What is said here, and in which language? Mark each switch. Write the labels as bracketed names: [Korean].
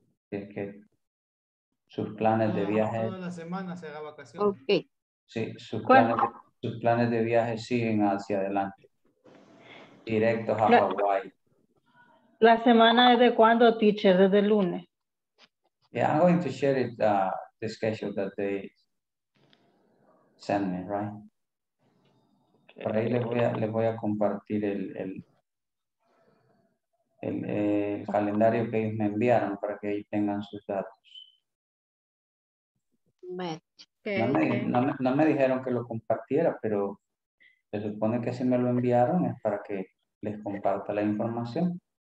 [Spanish] Es que sus planes de viaje... ¿Toda la semana será vacación? Ok. Sí, sus planes de viaje siguen hacia adelante, directos a Hawái. La semana es de cuándo, teacher, desde el lunes. [English] Yeah, I'm going to share it the schedule that they send me, right? Okay. [Spanish] Por ahí les voy a compartir el calendario que ellos me enviaron para que ellos tengan sus datos. Okay. No me dijeron que lo compartiera, pero se supone que si me lo enviaron es para que les comparta la información.